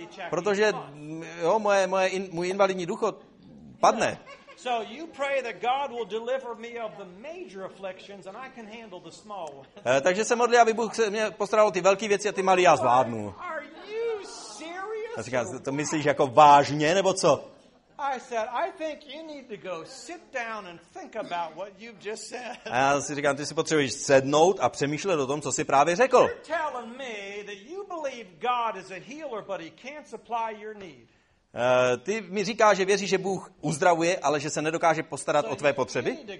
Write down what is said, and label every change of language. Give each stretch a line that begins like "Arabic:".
Czech: Protože jo, můj invalidní důchod padne.
English: So you pray that God will deliver me of the major afflictions and I can handle the small ones.
Czech: Takže se modlí, aby Bůh se mě postaral ty velké věci a ty malé já zvládnu.
English: Are you serious?
Czech: Říkám, to myslíš jako vážně nebo co?
English: I said I think you need to go sit down and think about what you've just said.
Czech: A já si říkám, ty si potřebuješ sednout a přemýšlet o tom, co jsi právě řekl.
English: You're telling me that you believe God is a healer but he can't supply your need.
Czech: Ty mi říkáš, že věříš, že Bůh uzdravuje, ale že se nedokáže postarat o tvé potřeby.